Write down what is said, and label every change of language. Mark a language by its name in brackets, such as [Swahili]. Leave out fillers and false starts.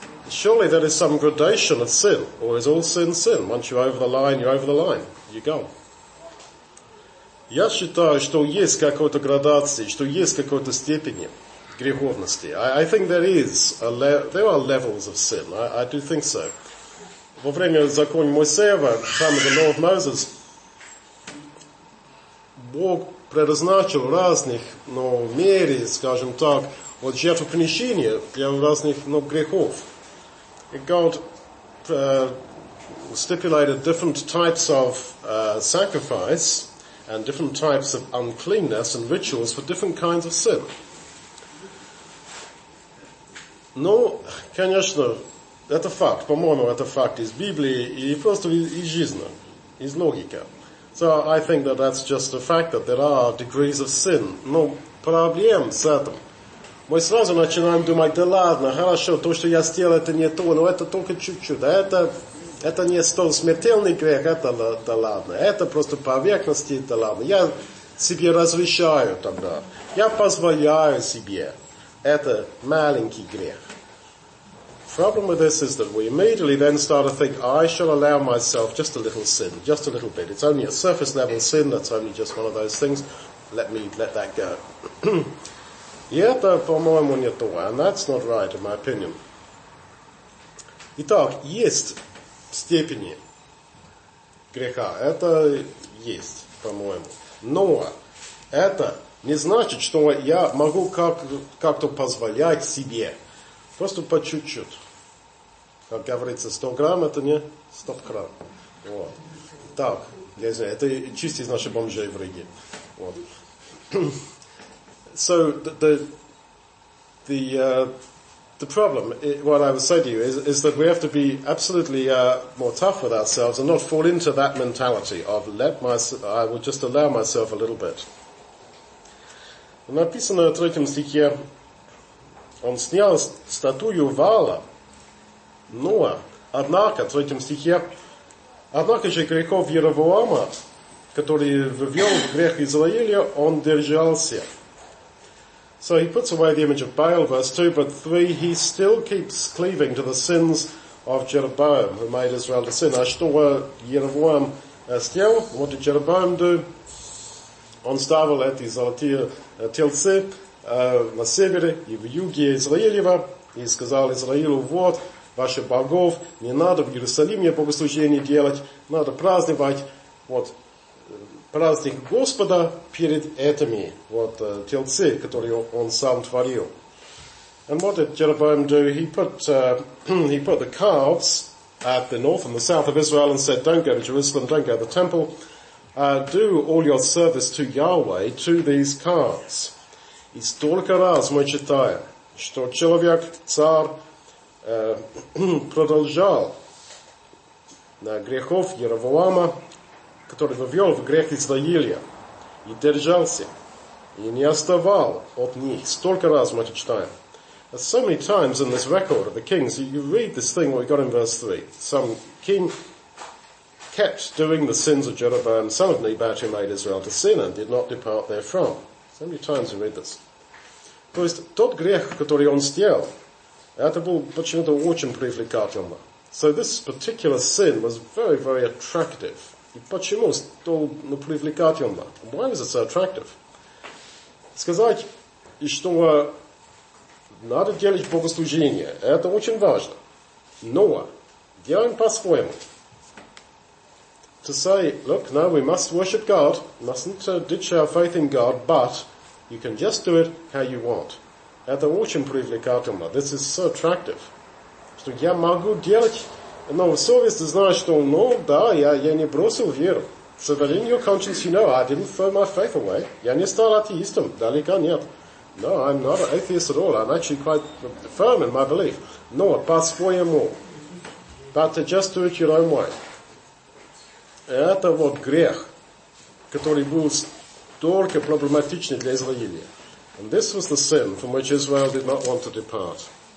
[English] Surely there is some gradation of sin, or is all sin sin? Once you're over the line, you're over the line. You go. [Russian] Я считаю, что есть какой-то градации, что есть какой-то степени греховности. [English] I think there is there are levels of sin. I do think so. [Russian] Во время закона Моисеева, [English] time of the law of Moses, [Russian] Бог предназначил разных, мере, скажем так, вот жертвоприношения для разных, грехов. [English] God stipulated different types of sacrifice and different types of uncleanness and rituals for different kinds of sin. [Russian] Но, конечно, это факт. По-моему, это факт из Библии и просто из жизни, из логики. [English] So I think that that's just a fact that there are degrees of sin. [Russian] Но проблем с этим. Мы сразу начинаем думать, да ладно, хорошо, то, что я сделал, это не то, но это только чуть-чуть. Это не столь смертельный грех, это да ладно. Это просто поверхности, да ладно. Я себе разрешаю тогда. Я позволяю себе. Это маленький грех. [English] Problem with this is that we immediately then start to think, I shall allow myself just a little sin, just a little bit. It's only a surface level sin, that's only just one of those things. Let me let that go. [Russian] И это, по-моему, не то. [English] And that's not right, in my opinion. [Russian] Итак, есть степени греха. Это есть, по-моему. Но это не значит, что я могу как-то позволять себе. Просто по чуть-чуть. Как говорится, 100 грамм, это не 100 грамм. Вот. Так, я знаю, это чисто из наших бомжей в Риге. Вот. [English] So, the problem, what I would say to you, is that we have to be absolutely more tough with ourselves and not fall into that mentality of I will just allow myself a little bit. [Russian] Написано в третьем стихе, он снял статую вала, но, однако, в третьем стихе, однако же грехов Иеровоама, который ввел грех Израиля, он держался. [English] So he puts away the image of Baal, verse 2, but 3, he still keeps cleaving to the sins of Jeroboam, who made Israel to sin. [Russian] А что Иеровоам сделал? [English] What did Jeroboam do? [Russian] Он ставил эти золотые тельцы на севере и в юге Израилева, и сказал Израилю, вот, ваших богов, не надо в Иерусалиме богослужение делать, надо праздновать, вот, праздник Господа перед этими, вот, тельцы, которые он сам творил. [English] And what did Jeroboam do? He put the calves at the north and the south of Israel and said, don't go to Jerusalem, don't go to the temple, do all your service to Yahweh, to these calves. [Russian] И столько раз мы читаем, что человек, царь, продолжал на грехов Иеровоама, который ввел в грех Израиля, и держался, и не оставал от них. Столько раз мы это читаем. [English] So many times in this record of the kings, you read this thing we got in verse 3. Some king kept doing the sins of Jeroboam, son of Nebat, who made Israel to sin, and did not depart therefrom. So many times we read this. [Russian] То есть, тот грех, который он сделал, это было почему-то очень привлекательно. [English] So this particular sin was very, very attractive. [Russian] И почему столь привлекательно? [English] Why was it so attractive? [Russian] Сказать, что надо делать богослужение, это очень важно. Но делаем по-своему. [English] To say, look, no, we must worship God, mustn't ditch our faith in God, but you can just do it how you want. [Russian] Это очень привлекательно. [English] This is so attractive. [Russian] Что я могу делать, но совесть знает, что, ну, да, я не бросил веру. [English] So that in your conscience you know, I didn't throw my faith away. [Russian] Я не стал атеистом. Далеко нет. [English] No, I'm not an atheist at all. I'm actually quite firm in my belief. [Russian] Но по-своему. [English] But to just do it your own way. [Russian] Это вот грех, который был столько проблематичный для Израиля. [English] And this was the sin from which Israel did not want to depart.